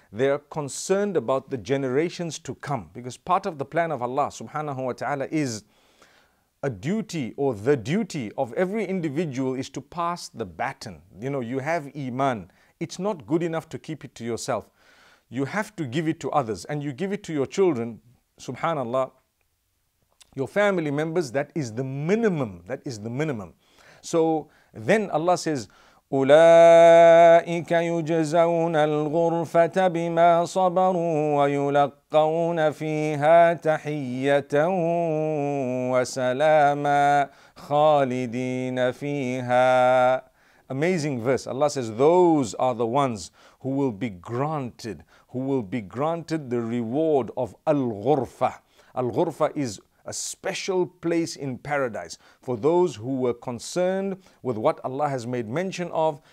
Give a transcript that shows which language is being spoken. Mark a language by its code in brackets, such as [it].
[en] They are concerned about the generations to come, because part of the plan of Allah subhanahu wa ta'ala is a duty, or the duty of every individual is to pass the baton. You know, you have iman. It's not good enough to keep it to yourself. You have to give it to others, and you give it to your children, subhanallah, your family members. That is the minimum. That is the minimum. So then Allah says, [ar] أُولَٰئِكَ يُجْزَوْنَ الْغُرْفَةَ بِمَا صَبَرُوا وَيُلَقَّوْنَ فِيهَا تَحِيَّةً وَسَلَامًا خَالِدِينَ فِيهَا. [en] Amazing verse. Allah says, those are the ones who will be granted, the reward of Al-Ghurfa. Al-Ghurfa is a special place in paradise for those who were concerned with what Allah has made mention of.